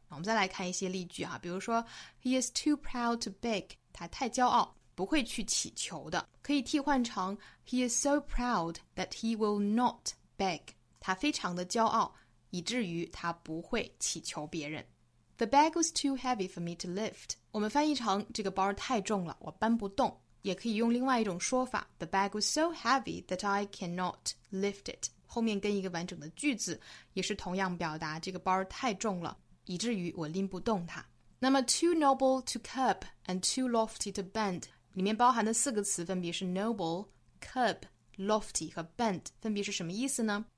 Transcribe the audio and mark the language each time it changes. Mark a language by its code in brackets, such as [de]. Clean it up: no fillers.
[zh] 我们再来看一些例句哈，比如说 [en] he is too proud to beg， [zh] 他太骄傲不会去乞求的，可以替换成 [en] He is so proud that he will not beg. [zh] 他非常的骄傲，以至于他不会乞求别人。 [en] The bag was too heavy for me to lift. [zh] 我们翻译成这个包太重了，我搬不动。也可以用另外一种说法 [en] The bag was so heavy that I cannot lift it. [zh] 后面跟一个完整的句子，也是同样表达这个包太重了，以至于我拎不动它。那么 [en] too noble to curb and too lofty to bend [zh] 里面包含的四个词分别是 noble, curb, lofty 和 bend 分别是什么意思呢？